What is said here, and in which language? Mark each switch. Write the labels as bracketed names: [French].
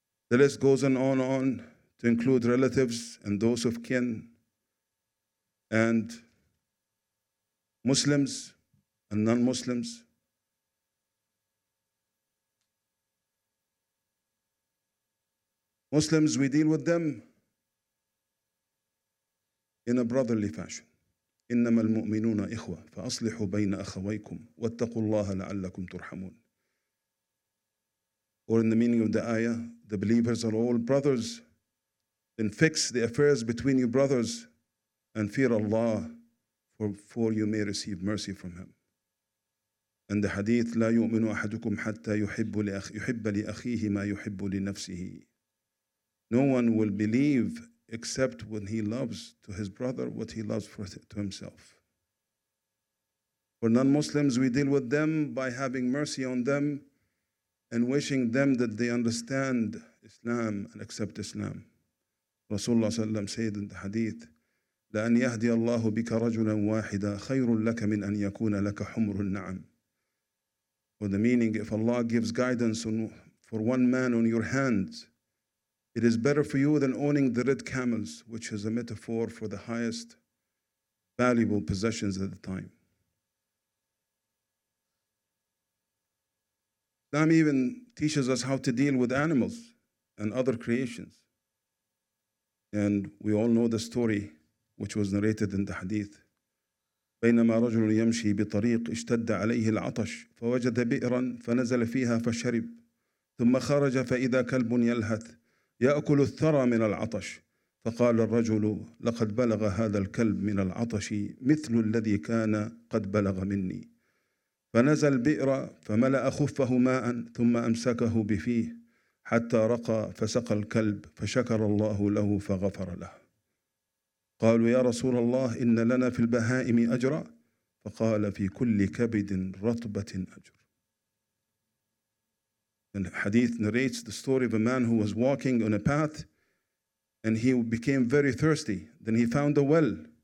[English] The list goes on to include relatives and those of kin, and Muslims and non-Muslims. Muslims, we deal with them in a brotherly fashion. [Arabic] إنما المؤمنون إخوة فأصلحوا بين أخويكم واتقوا الله لعلكم ترحمون. [English] Or in the meaning of the ayah, the believers are all brothers, then fix the affairs between you brothers and fear Allah, for you may receive mercy from him. And the hadith, [Arabic] لا يؤمن أحدكم حتى يحب لأخيه ما يحب لنفسه. [English] No one will believe except when he loves to his brother what he loves for to himself. For non-Muslims, we deal with them by having mercy on them and wishing them that they understand Islam and accept Islam. Rasulullah sallam said in the hadith, [Arabic] لَأَنْ يَهْدِيَ اللَّهُ بِكَ رَجُلًا وَاحِدًا خَيْرٌ لَكَ مِنْ أَنْ يَكُونَ لَكَ حُمْرُ النَّعَمُ. [English] For the meaning, if Allah gives guidance for one man on your hands, it is better for you than owning the red camels, which is a metaphor for the highest valuable possessions at the time. Islam even teaches us how to deal with animals and other creations. And we all know the story which was narrated in the hadith. [Arabic] بينما رجل يمشي بطريق اشتد عليه العطش فوجد بئرا فنزل فيها فشرب ثم خرج فإذا كلب يلهث يأكل الثرى من العطش فقال الرجل لقد بلغ هذا الكلب من العطش مثل الذي كان قد بلغ مني فنزل بئر فملأ خفه ماء ثم أمسكه بفيه حتى رقى فسقى الكلب فشكر الله له فغفر له قالوا يا رسول الله إن لنا في البهائم أجرا فقال في كل كبد رطبة أجر. [English] And the hadith narrates the story of a man who was walking on a path and he became very thirsty. Then he found a well.